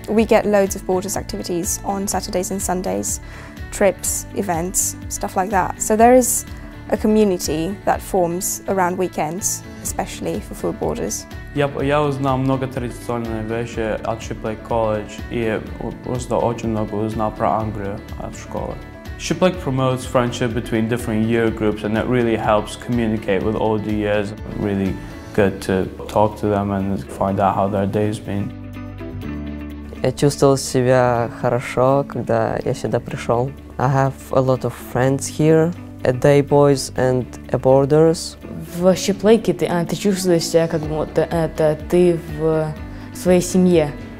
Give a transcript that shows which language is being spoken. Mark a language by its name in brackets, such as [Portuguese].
[English] We get loads of Borders activities on Saturdays and Sundays, trips, events, stuff like that. So there is a community that forms around weekends, especially for Food Borders. [Russian] Я узнал много традиционные вещи от Shiplake College и просто очень много узнал про Англию от школы. [English] Shiplake promotes friendship between different year groups and it really helps communicate with all the years. Really good to talk to them and find out how their day's been. [Russian] Я чувствовал себя хорошо, когда я сюда пришел. [English] I have a lot of friends here, a day boys and a boarders. [Russian] В Shiplake ты чувствуешь себя как будто это ты в своей семье.